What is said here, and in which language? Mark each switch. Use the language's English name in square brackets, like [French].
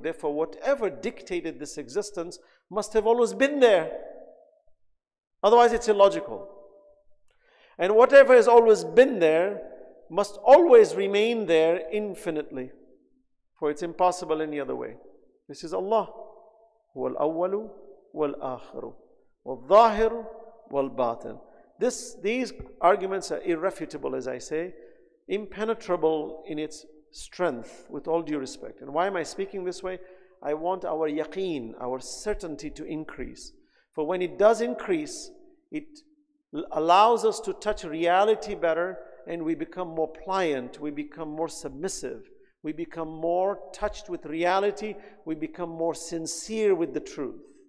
[English] Therefore, whatever dictated this existence must have always been there. Otherwise, it's illogical. And whatever has always been there must always remain there infinitely, for it's impossible any other way. This is Allah. [Arabic] هو الأول والآخر والظاهر والباطن. [English] These arguments are irrefutable, as I say, impenetrable in its strength, with all due respect. And why am I speaking this way? I want our yaqeen, our certainty, to increase. For when it does increase, it allows us to touch reality better, and we become more pliant, we become more submissive, we become more touched with reality, we become more sincere with the truth.